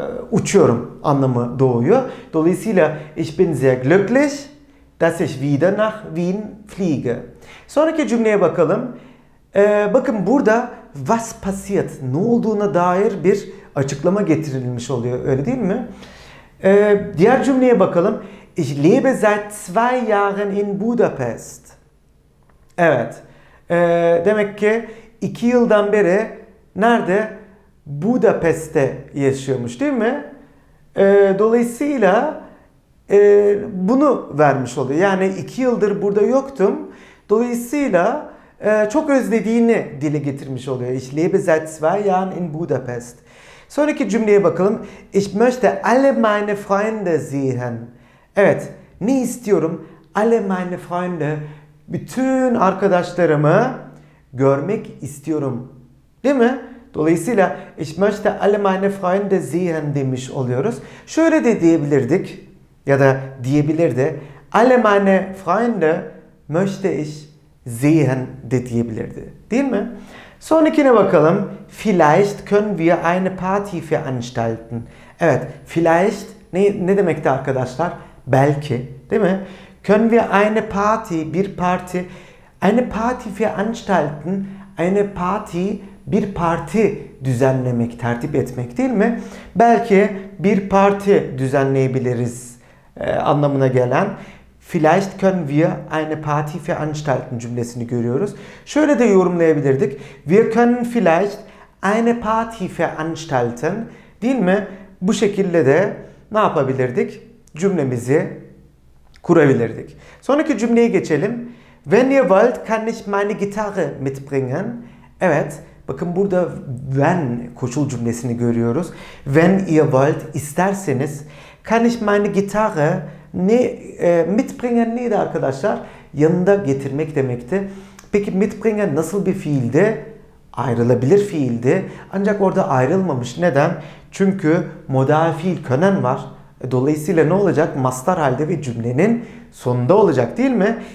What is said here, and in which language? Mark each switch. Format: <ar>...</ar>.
<tr>Uçuyorum anlamı doğuyor. Dolayısıyla</tr> <de>ich bin sehr glücklich, dass ich wieder nach Wien fliege.</de> <tr>Sonraki cümleye bakalım. Bakın burada</tr> <de>was passiert,</de> <tr>ne olduğuna dair bir açıklama getirilmiş oluyor. Öyle değil mi? Diğer cümleye bakalım.</tr> <de>Ich lebe seit zwei Jahren in Budapest.</de> <tr>Evet. Demek ki 2 yıldan beri nerede? Budapest'te yaşıyormuş değil mi? Dolayısıyla bunu vermiş oluyor. Yani 2 yıldır burada yoktum. Dolayısıyla çok özlediğini dile getirmiş oluyor.</tr> <de>Ich lebe seit zwei Jahren in Budapest.</de> <tr>Sonraki cümleye bakalım.</tr> <de>Ich möchte alle meine Freunde sehen.</de> <tr>Evet. Ne istiyorum?</tr> <de>Alle meine Freunde.</de> <tr>Bütün arkadaşlarımı görmek istiyorum. Değil mi? Dolayısıyla</tr> <de>ich möchte alle meine Freunde sehen</de> <tr>demiş oluyoruz. Şöyle de diyebilirdik. Ya da diyebilirdi.</tr> <de>Alle meine Freunde möchte ich sehen</de> <tr>de diyebilirdi. Değil mi? Sonrakine bakalım.</tr> <de>Vielleicht können wir eine Party veranstalten.</de> <tr>Evet, vielleicht ne demekti arkadaşlar? Belki, değil mi?</tr> <de>Können wir eine Party,</de> <tr>bir parti,</tr> <de>eine Party veranstalten, eine Party,</de> <tr>bir parti düzenlemek, tertip etmek değil mi? Belki bir parti düzenleyebiliriz anlamına gelen</tr> <de>Vielleicht können wir eine Party veranstalten</de> <tr>cümlesini görüyoruz. Şöyle de yorumlayabilirdik.</tr> <de>Wir können vielleicht eine Party veranstalten.</de> <tr>Değil mi? Bu şekilde de ne yapabilirdik? Cümlemizi kurabilirdik. Sonraki cümleye geçelim.</tr> <de>Wenn ihr wollt, kann ich meine Gitarre mitbringen.</de> <tr>Evet. Bakın burada wenn koşul cümlesini görüyoruz.</tr> <de>Wenn ihr wollt,</de> <tr>isterseniz.</tr> <de>Kann ich meine Gitarre mitbringen</de> <tr>neydi arkadaşlar? Yanında getirmek demekti. Peki mitbringen nasıl bir fiildi? Ayrılabilir fiildi. Ancak orada ayrılmamış. Neden? Çünkü modal fiil können var. Dolayısıyla ne olacak? Mastar halde ve cümlenin sonunda olacak değil mi?</tr>